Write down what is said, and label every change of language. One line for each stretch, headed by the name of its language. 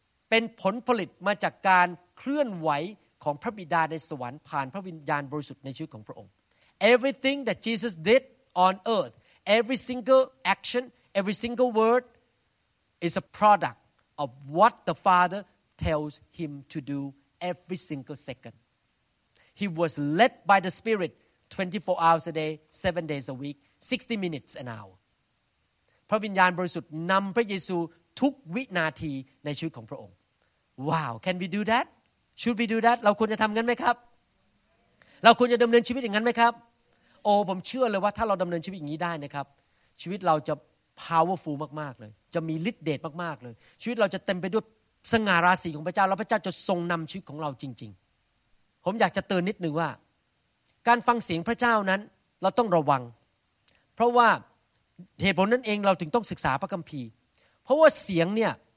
Thai: เป็นผลผลิตมาจากการเคลื่อนไหวของพระบิดาในสวรรค์ผ่านพระวิญญาณบริสุทธิ์ในชีวิตของพระองค์
English: everything that Jesus did on earthEvery single action, every single word is a product of what the Father tells him to do every single second. He was led by the Spirit 24 hours a day, 7 days a week, 60 minutes an hour.
Thai: พระวิญญาณบริสุทธิ์นำพระเยซูทุกวินาทีในชีวิตของพระองค์
English: Wow, can we do that?
Thai: Should we do that? เราควรจะทำงั้นไหมครับเราควรจะดำเนินชีวิตอย่างนั้นไหมครับโอ้ผมเชื่อเลยว่าถ้าเราดำเนินชีวิตอย่างนี้ได้นะครับชีวิตเราจะ powerful มากๆเลยจะมีฤทธิ์เดชมากๆเลยชีวิตเราจะเต็มไปด้วยสง่าราศีของพระเจ้าแล้วพระเจ้าจะทรงนำชีวิตของเราจริงๆผมอยากจะเตือนนิดนึงว่าการฟังเสียงพระเจ้านั้นเราต้องระวังเพราะว่าเหตุผลนั้นเองเราถึงต้องศึกษาพระคัมภีร์เพราะว่าเสียงเนี่ย